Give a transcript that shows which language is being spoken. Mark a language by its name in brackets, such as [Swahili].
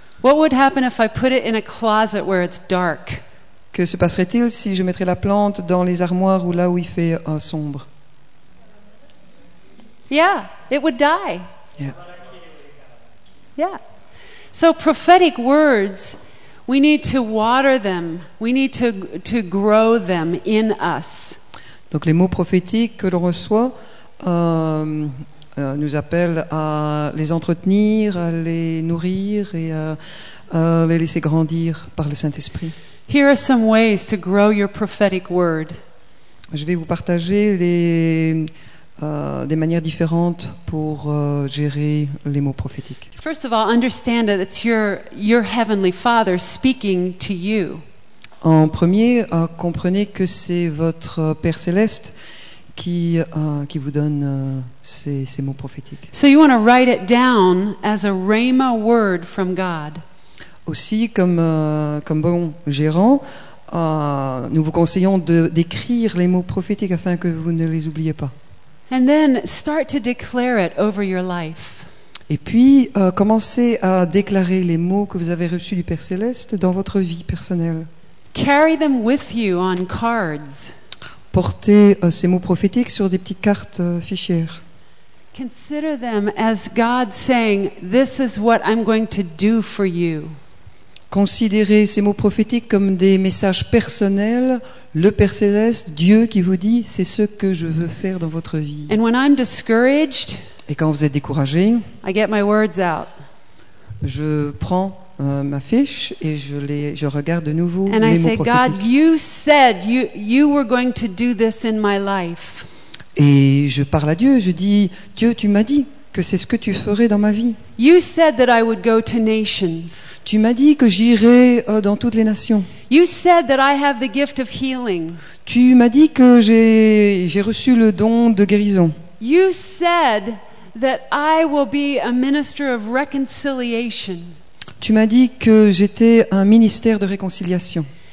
[English] What would happen if I put it in a closet where it's dark? [French] Que se passerait-il si je mettrais la plante dans les armoires ou là où il fait sombre? [English] Yeah, it would die. Yeah. Yeah. So prophetic words, we need to water them. We need to grow them in us. [French] Donc les mots prophétiques que l'on reçoit nous appellent à les entretenir, à les nourrir et à les laisser grandir par le Saint-Esprit. [English] Here are some ways to grow your prophetic word. [French] Je vais vous partager des manières différentes pour gérer les mots prophétiques. [English] First of all, understand that it's your heavenly Father speaking to you. [French] En premier, comprenez que c'est votre Père céleste qui vous donne ces mots prophétiques. [English] So you want to write it down as a rhema word from God. [French] Aussi, comme bon gérant, nous vous conseillons d'écrire les mots prophétiques afin que vous ne les oubliez pas. [English] And then start to declare it over your life. [French] Et puis, commencez à déclarer les mots que vous avez reçus du Père Céleste dans votre vie personnelle. [English] Carry them with you on cards. [French] Portez ces mots prophétiques sur des petites cartes fichières. [English] Consider them as God saying, "This is what I'm going to do for you." [French] Considérez ces mots prophétiques comme des messages personnels, le Père Céleste, Dieu qui vous dit, c'est ce que je veux faire dans votre vie. [English] And when I'm discouraged, [French] et quand vous êtes découragé, [English] I get my words out. [French] Je prends ma fiche et je regarde de nouveau [English] and [French] les [English] I [French] mots [English] say, [French] prophétiques. [English] God, you said you were going to do this in my life. [French] Et je parle à Dieu, je dis, Dieu, tu m'as dit que c'est ce que tu ferais dans ma vie. [English] You said that I would go to nations. [French] Tu m'as dit que j'irais dans toutes les nations. [English] You said that I have the gift of healing. [French] Tu m'as dit que j'ai reçu le don de guérison. [English] You said that I will be a minister of reconciliation. [French] Tu m'as dit que j'étais un ministère de réconciliation.